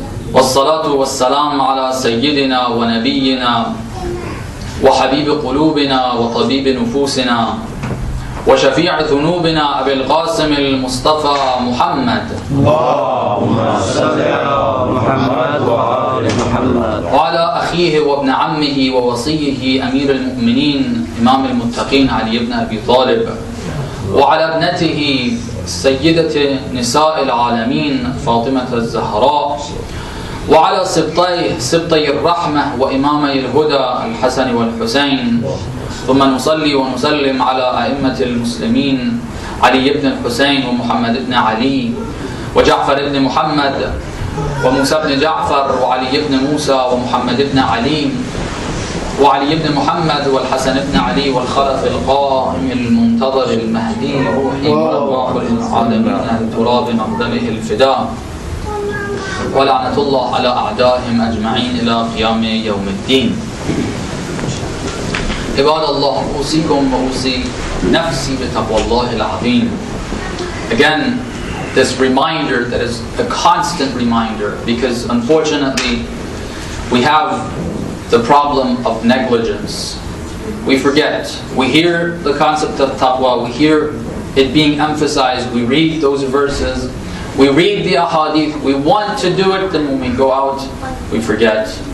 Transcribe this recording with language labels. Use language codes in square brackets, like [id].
[ar] Was-salatu was-salam ala sayyidina wa nabiyyina wa habib qulubina wa tabib nufusina وشفيع ذنوبنا أبي القاسم المصطفى محمد. اللهم صل على محمد وعلى محمد وعلى أخيه وابن عمه ووصيه أمير المؤمنين إمام المتقين علي بن أبي طالب وعلى ابنته سيدة نساء العالمين فاطمة الزهراء وعلى سبطي الرحمة وإمامي الهدى الحسن والحسين. ثم نصلي ونسلم على أئمة المسلمين علي بن الحسين ومحمد بن علي وجعفر بن محمد وموسى بن جعفر وعلي بن موسى ومحمد بن علي وعلي بن محمد والحسن بن علي والخلف القائم المنتظر المهدي روحي رب العالمين التراب مقدمه الفداء ولعنة الله على أعدائهم أجمعين إلى قيام يوم الدين. عباد الله أوصيكم وأوصي نفسي بتقوى الله العظيم. [en] Again, this reminder that is a constant reminder because unfortunately we have the problem of negligence. We forget. We hear the concept of taqwa, we hear it being emphasized, we read those verses, we read the ahadith, we want to do it, then when we go out, we forget.